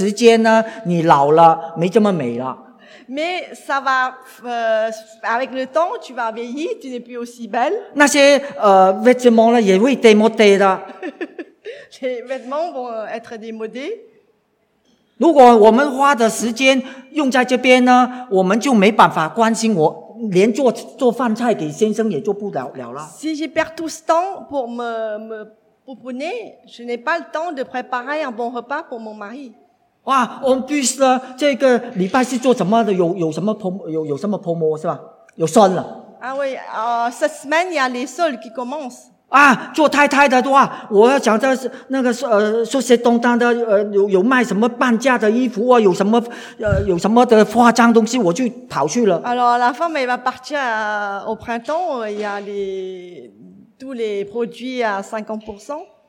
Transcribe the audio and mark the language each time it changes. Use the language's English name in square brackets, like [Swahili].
[Chinese] 但是呢,这些呢,都会随着时间呢,你老了,没这么美了。 [French] Mais ça va avec le temps, tu vas vieillir, tu n'es plus aussi belle. [Chinese] 那些, vêtements, là, 也会démodé的. [French] Les vêtements vont être démodés. [Chinese] 如果我们花的时间用在这边呢, 我们就没办法关心我, 连做饭菜给先生也做不了了。 [French] Si je perds tout ce temps pour me pouponner, je n'ai pas le temps de préparer un bon repas pour mon mari. [Chinese] 哇, [French] en plus, [Chinese] 这个礼拜是做什么的?有什么 promo, 是吧? 有算了。 [French] Ah oui, cette semaine, il y a les soldes qui commencent. [Chinese] 啊, 做太太的话, 我要讲的是那个, 说些东当的, 有卖什么半价的衣服, 有什么的化妆东西, 我就跑去了。 [French] Alors, la femme, elle va partir au printemps, il y a tous les produits à 50%.